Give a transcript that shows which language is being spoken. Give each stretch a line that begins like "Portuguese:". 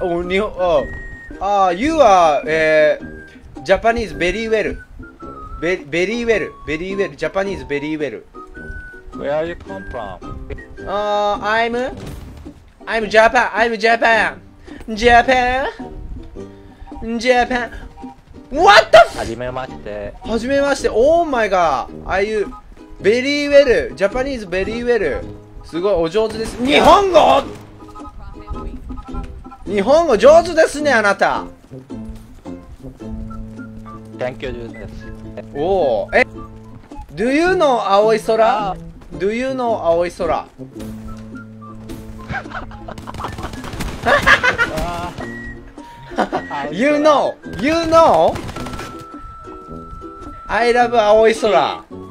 English: お、日本、お、あ、you are, Japanese very well. ベリーウェル、ベリーウェル、ジャパニーズベリーウェル。 Where are you come from? I'm Japan, I'm Japan, Japan, Japan. What the?
Japanese: はじめまして。はじめまして。
English: Oh my god. Are you very well? Japanese very well.
Japanese: すごいお上手です。日本語。日本語上手ですねあなた。
English: Thank you,
Japanese: です。
English: おお、え、Do you know
Japanese: 青い空？
English: Do you know
Japanese: 青い空？
English: You know, you know, I love
Japanese: 青い空。